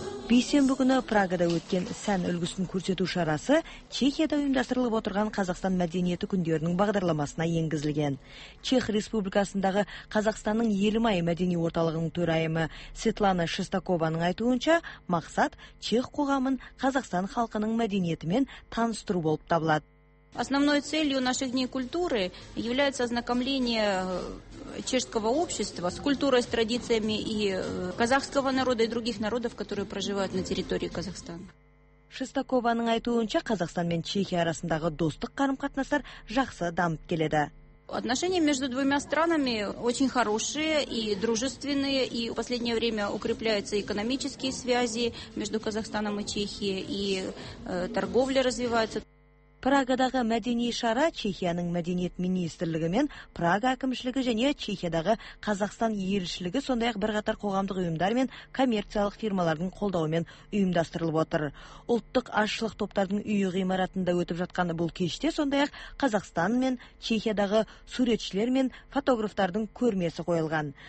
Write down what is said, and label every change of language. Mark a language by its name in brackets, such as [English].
[Kazakh] Бейсенбі күні Прагада өткен сән үлгісін көрсету шарасы Чехияда ұйымдастырылып отырған Қазақстан мәдениеті күндерінің бағдарламасына енгізілген. Чех Республикасындағы Қазақстанның Елімай мәдени орталығының төрайымы Светлана Шестакованың айтуынша, мақсат чех қоғамын Қазақстан халқының мәдениетімен таныстыру болып табылады. [Russian] Основной целью наших дней культуры является ознакомление чешского общества с культурой, с традициями и казахского народа и других народов, которые проживают на территории Казахстана. [Kazakh] Шестакованың айтуынша, Қазақстан мен Чехия арасындағы достық қарым-қатынастар жақсы дамып келеді. [Russian] Отношения между двумя странами очень хорошие и дружественные, и в последнее время укрепляются экономические связи между Казахстаном и Чехией, и торговля развивается. [Kazakh] Прагадағы мәдени шара Чехияның мәдениет министрлігі мен Прага әкімшілігі және Чехиядағы Қазақстан елшілігі сондай-ақ бірқатар қоғамдық ұйымдар мен коммерциялық фирмалардың қолдауымен ұйымдастырылып отыр. Ұлттық ашылық топтардың үйі ғимаратында өтіп жатқан бұл кеште сондай-ақ Қазақстан мен Чехиядағы суретшілер мен фотографтардың көрмесі қойылған.